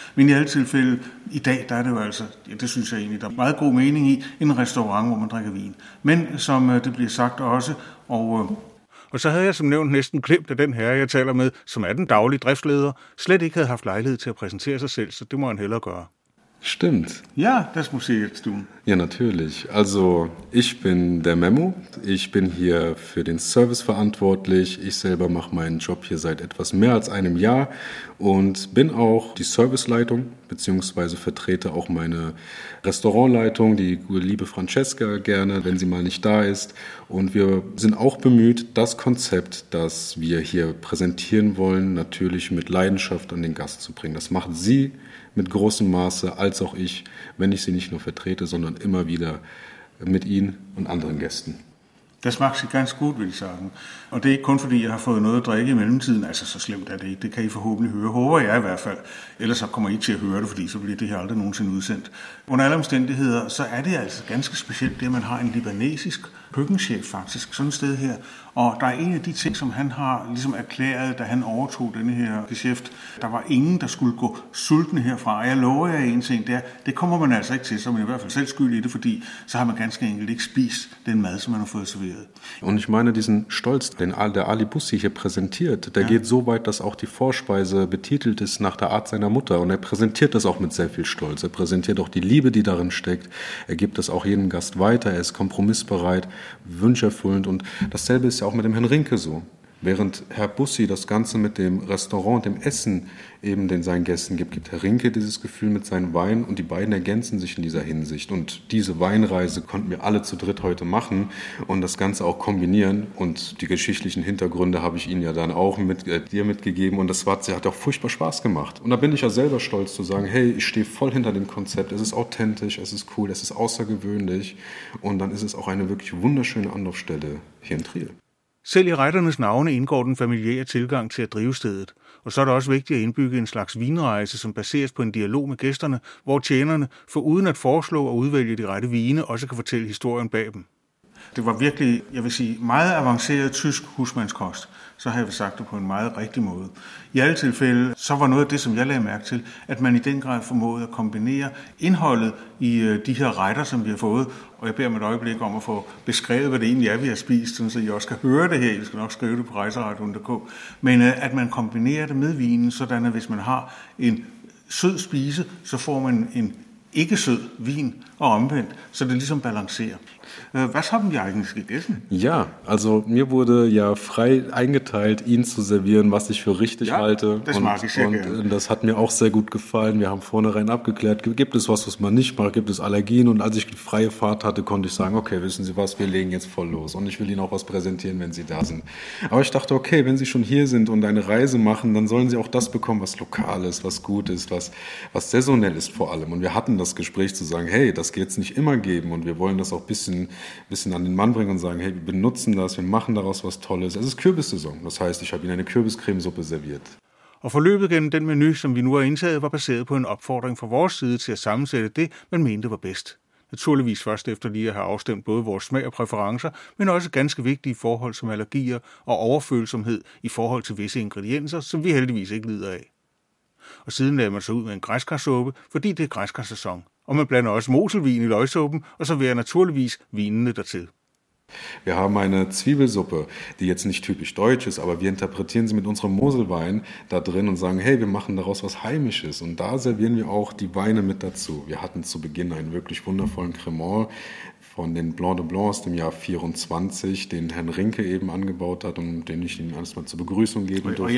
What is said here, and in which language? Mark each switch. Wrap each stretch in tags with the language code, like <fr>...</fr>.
<da>Men i alle tilfælde, i dag, der er det jo altså, ja, det synes jeg egentlig, der er meget god mening i, en restaurant, hvor man drikker vin. Men som det bliver sagt også, Og så havde jeg som nævnt næsten glemt, at den herre, jeg taler med, som er den daglige driftsleder, slet ikke havde haft lejlighed til at præsentere sig selv, så det må han hellere gøre.</da> <de>Stimmt. Ja, das muss ich jetzt tun. Ja, natürlich. Also, ich bin der Memo. Ich bin hier für den Service verantwortlich. Ich selber mache meinen Job hier seit etwas mehr als einem Jahr und bin auch die Serviceleitung, beziehungsweise vertrete auch meine Restaurantleitung, die liebe Francesca, gerne, wenn sie mal nicht da ist. Und wir sind auch bemüht, das Konzept, das wir hier präsentieren wollen, natürlich mit Leidenschaft an den Gast zu bringen. Das macht sie mit großem Maße, als auch ich, wenn ich sie nicht nur vertrete, sondern immer wieder mit Ihnen und anderen Gästen. Das macht sie ganz gut, würde ich sagen. Und</de> <da>det er ikke kun fordi, jeg har fået noget at drikke i mellemtiden. Altså, så slemt er det ikke. Det kan I forhåbentlig høre. Håber jeg i hvert fald. Ellers så kommer I til at høre det, fordi så bliver det her aldrig nogensinde udsendt. Under alle omstændigheder, så er det altså ganske specielt, det at man har en libanesisk køkkenchef faktisk, sådan et sted her. Og der er en af de ting, som han har ligesom erklæret, da han overtog denne her geschæft. Der var ingen, der skulle gå sulten herfra. Og jeg lover jer en ting, det kommer man altså ikke til, så man i hvert fald selv skyld i det, fordi så har man ganske enkelt ikke spist den mad, som man har fået serveret.</da> <de>Und ich meine diesen Stolz, den der Ali Bussi hier präsentiert, der geht so weit, dass auch die Vorspeise betitelt ist nach der Art seiner Mutter. Und er präsentiert das auch mit sehr viel Stolz. Er präsentiert auch die Liebe, die darin steckt. Er gibt das auch jedem Gast weiter. Er ist kompromissbereit, wünscherfüllend. Und dasselbe ist ja auch mit dem Herrn Rinke so. Während Herr Bussi das Ganze mit dem Restaurant, dem Essen eben den seinen Gästen gibt, gibt Herr Rinke dieses Gefühl mit seinem Wein und die beiden ergänzen sich in dieser Hinsicht. Und diese Weinreise konnten wir alle zu dritt heute machen und das Ganze auch kombinieren. Und die geschichtlichen Hintergründe habe ich Ihnen ja dann auch mit dir mitgegeben und das hat auch furchtbar Spaß gemacht. Und da bin ich ja selber stolz zu sagen, hey, ich stehe voll hinter dem Konzept, es ist authentisch, es ist cool, es ist außergewöhnlich und dann ist es auch eine wirklich wunderschöne Anlaufstelle hier in Trier.</de> <da>Selv i retternes navne indgår den familiære tilgang til at drive stedet. Og så er det også vigtigt at indbygge en slags vinrejse, som baseres på en dialog med gæsterne, hvor tjenerne, for uden at foreslå og udvælge de rette vine, også kan fortælle historien bag dem. Det var virkelig, jeg vil sige, meget avanceret tysk husmandskost. Så har jeg sagt det på en meget rigtig måde. I alle tilfælde, så var noget af det, som jeg lagde mærke til, at man i den grad formåede at kombinere indholdet i de her retter, som vi har fået. Og jeg beder med et øjeblik om at få beskrevet, hvad det egentlig er, vi har spist, så I også kan høre det her. I skal nok skrive det på rejseradion.dk. Men at man kombinerer det med vinen, sådan at hvis man har en sød spise, så får man en ikke sød vin og omvendt, så det ligesom balancerer.</da> <de>Was haben wir eigentlich gegessen? Ja, also mir wurde ja frei eingeteilt, ihn zu servieren, was ich für richtig halte. Das mag ich sehr gerne. Und das hat mir auch sehr gut gefallen. Wir haben vornherein abgeklärt, gibt es was, was man nicht mag, gibt es Allergien? Und als ich die freie Fahrt hatte, konnte ich sagen, okay, wissen Sie was, wir legen jetzt voll los. Und ich will Ihnen auch was präsentieren, wenn Sie da sind. Aber ich dachte, okay, wenn Sie schon hier sind und eine Reise machen, dann sollen Sie auch das bekommen, was lokal ist, was gut ist, was saisonell ist vor allem. Und wir hatten das Gespräch zu sagen, hey, das geht es nicht immer geben und wir wollen das auch ein bisschen an den Mann bringen und sagen, hey, wir benutzen das, wir machen daraus was Tolles. Es ist Kürbissaison, das heißt, ich habe Ihnen eine Kürbiscremesuppe serviert.</de> <da>Og forløbet gennem den menu, som vi nu har indtaget, var baseret på en opfordring fra vores side til at sammensætte det, man mente var bedst. Naturligvis først efter lige at have afstemt både vores smag og præferencer, men også ganske vigtige forhold som allergier og overfølsomhed i forhold til visse ingredienser, som vi heldigvis ikke lider af. Og siden lader man sig ud med en græskarsuppe, fordi det er græskarsæson. Og man blander også moselvin i løgsuppen, og så serverer naturligvis vinene dertil.</da> <de>Wir haben eine Zwiebelsuppe, die jetzt nicht typisch deutsch ist, aber wir interpretieren sie mit unserem Moselwein da drin und sagen, hey, wir machen daraus was Heimisches. Und da servieren wir auch die Weine mit dazu. Wir hatten zu Beginn einen wirklich wundervollen Cremant von den Blanc de Blancs aus dem Jahr 24, den Herrn Rinke eben angebaut hat und den ich Ihnen erstmal zur Begrüßung geben durfte.</de>